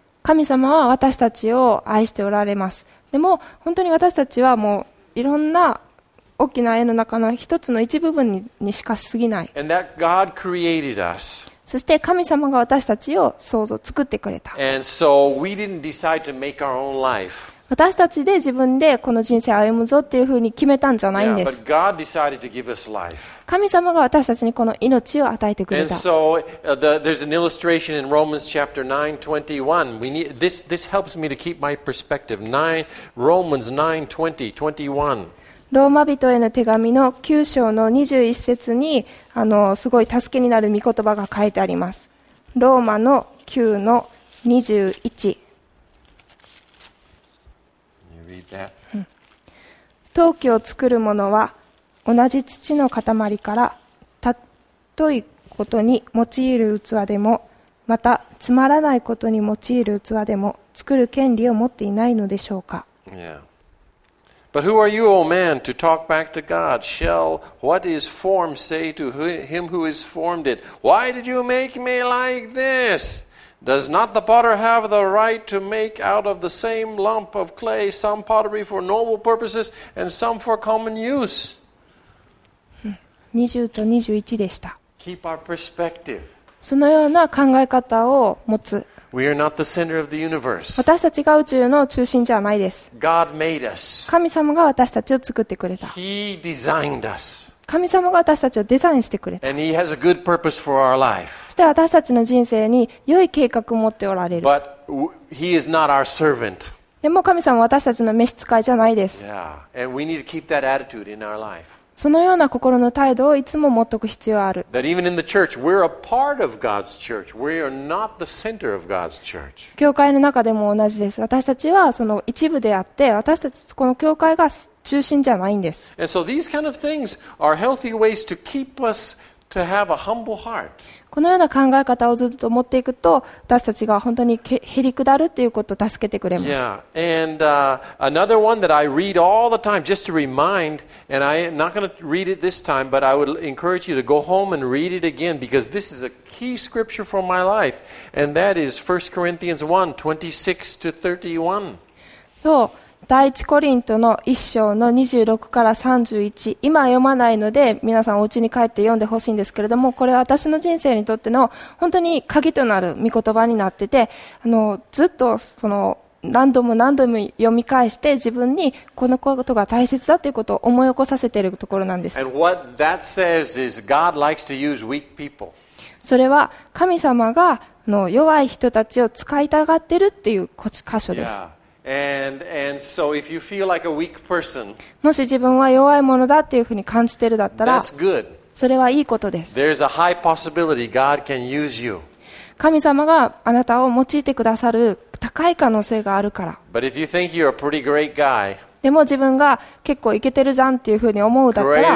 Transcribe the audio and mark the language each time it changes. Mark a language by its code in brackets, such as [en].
[ja] 神様は私たちを愛しておられます。でも本当に私たちはもういろんな大きな絵の中の一つの一部分にしか過ぎない。 [en] And that God created us. [ja] そして神様が私たちを創造、作ってくれた。 [en] And so we didn't decide to make our own life. [ja] 私たちで自分でこの人生を歩むぞっていうふうに決めたんじゃないんです。 [en] Yeah, but God decided to give us life. [ja] 神様が私たちにこの命を与えてくれた。 [en] And so, there's an illustration in Romans chapter 9:21. We need this helps me to keep my perspective. Romans 9:20-21. [ja] ローマ人への手紙の9章の21節にすごい助けになる御言葉が書いてあります。ローマの9の21。 [en] You read that. [ja] 陶器を作るものは同じ土の塊から、たとえことに用いる器でも、またつまらないことに用いる器でも、作る権利を持っていないのでしょうか。 [en] Yeah. But who are you, O man, to talk back to God? Shall what is formed say to him who is formed it, Why did you make me like this? Does not the potter have the right to make out of the same lump of clay some pottery for noble purposes and some for common use? [ja] 20と21でした。 [en] Keep our perspective. [ja] そのような考え方を持つ。 [en] We are not the center of the universe. [ja] 私たちが宇宙の中心じゃないです。 [en] God made us. [ja] 神様が私たちを作ってくれた。 [en] He designed us. [ja] 神様が私たちをデザインしてくれた。 [en] And he has a good purpose for our life. [ja] そして私たちの人生に良い計画を持っておられる。 [en] But he is not our servant. [ja] でも神様は私たちの召使いじゃないです。 [en] Yeah. And we need to keep that attitude in our life. [ja] そのような心の態度をいつも持っておく必要がある。 [en] That even in the church, we're a part of God's church. We are not the center of God's church. [ja] 教会の中でも同じです。私たちはその一部であって、私たちこの教会が中心じゃないんです。 [en] And so these kind of things are healthy ways to keep us to have a humble heart. [ja] このような考え方をずっと持っていくと、私たちが本当にへりくだるということを助けてくれます。 [en] Yeah, and another one that I read all the time, just to remind, and I'm not going to read it this time, but I would encourage you to go home and read it again because this is a key scripture for my life, and that is 1 Corinthians 1, 26 to 31. [ja] そう、第一コリントの1章の26から31、今は読まないので皆さんお家に帰って読んでほしいんですけれども、これは私の人生にとっての本当に鍵となる御言葉になってて、ずっとその何度も何度も読み返して自分にこのことが大切だということを思い起こさせているところなんです。 [en] And what that says is God likes to use weak people. [ja] それは神様がの弱い人たちを使いたがっているという箇所です。 [en] Yeah. And so if you feel like a weak person, [ja] もし自分は弱いものだっていうふうに感じてるだったら、 [en] that's good. [ja] それはいいことです。 [en] There's a high possibility God can use you. [ja] 神様があなたを用いてくださる高い可能性があるから。 [en] But if you think you're a pretty great guy, [ja] でも自分が結構イケてるじゃんっていうふうに思うだったら、